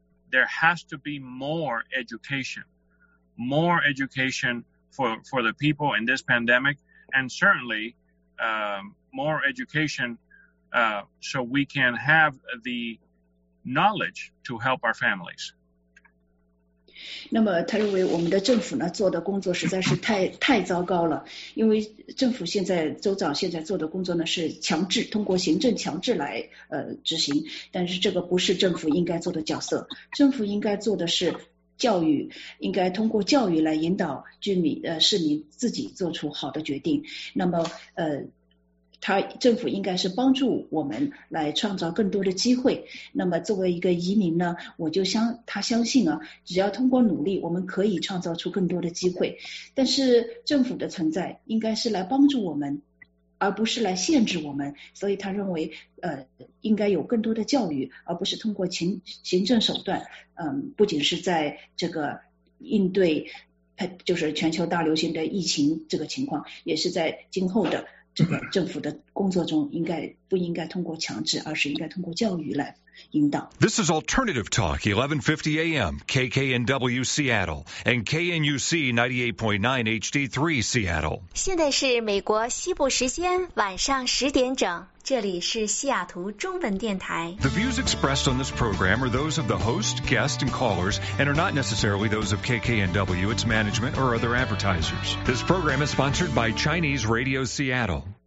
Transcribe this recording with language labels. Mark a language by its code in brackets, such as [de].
[en] There has to be more education for the people in this pandemic, and certainly more education so we can have the knowledge to help our families. [zh] 那么他认为我们的政府呢做的工作实在是太糟糕了，因为政府现在州长现在做的工作呢是强制通过行政强制来执行，但是这个不是政府应该做的角色，政府应该做的是教育，应该通过教育来引导居民市民自己做出好的决定。那么他政府应该是帮助我们来创造更多的机会。那么作为一个移民呢，我就相他相信啊，只要通过努力，我们可以创造出更多的机会。但是政府的存在应该是来帮助我们，而不是来限制我们。所以他认为应该有更多的教育，而不是通过行政手段。不仅是在这个应对就是全球大流行的疫情这个情况，也是在今后的这个政府的工作中应该不应该通过强制，而是应该通过教育来引导。 [en] This is Alternative Talk, 1150 AM, KKNW Seattle, and KNUC 98.9 HD3 Seattle. [zh] 现在是美国西部时间晚上10点整。这里是西雅图中文电台。 [en] The views expressed on this program are those of the host, guest, and callers, and are not necessarily those of KKNW, its management, or other advertisers. This program is sponsored by Chinese Radio Seattle.